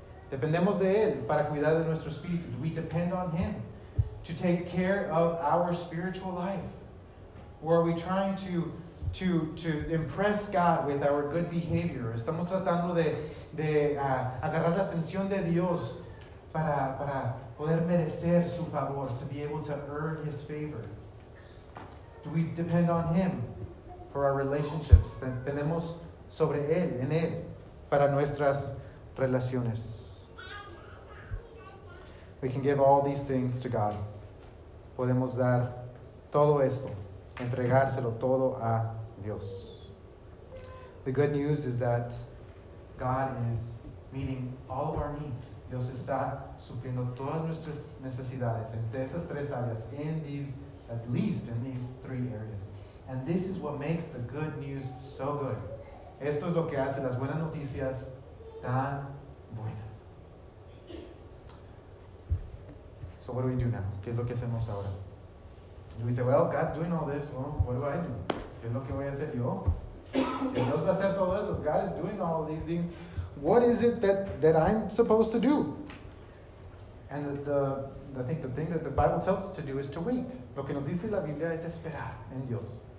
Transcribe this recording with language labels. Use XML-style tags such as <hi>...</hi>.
<es>Dependemos de Él para cuidar de nuestro espíritu.</es> <en>We depend on Him to take care of our spiritual life. Or are we trying to impress God with our good behavior?</en> <es>Estamos tratando de agarrar la atención de Dios para poder merecer su favor,</es> <en>to be able to earn His favor. Do we depend on Him for our relationships?</en> <es>Dependemos sobre Él, en Él, para nuestras relaciones.</es> <en>We can give all these things to God.</en> <es>Podemos dar todo esto, entregárselo todo a Dios.</es> <en>The good news is that God is meeting all of our needs.</en> <es>Dios está supliendo todas nuestras necesidades en esas tres áreas,</es> <en>at least in these three areas. And this is what makes the good news so good.</en> <es>Esto es lo que hace las buenas noticias tan buenas.</es> <en>So what do we do now?</en> <es>¿Qué es lo que hacemos ahora?</es> <en>And we say, well, God's doing all this. Well, what do I do?</en> <es>¿Qué es lo que voy a hacer yo? Si Dios va a hacer todo eso,</es> <en>God is doing all these things. What is it that I'm supposed to do? And I think the thing that the Bible tells us to do is to wait.</en> <es>Lo que nos dice la Biblia es esperar en Dios.</es>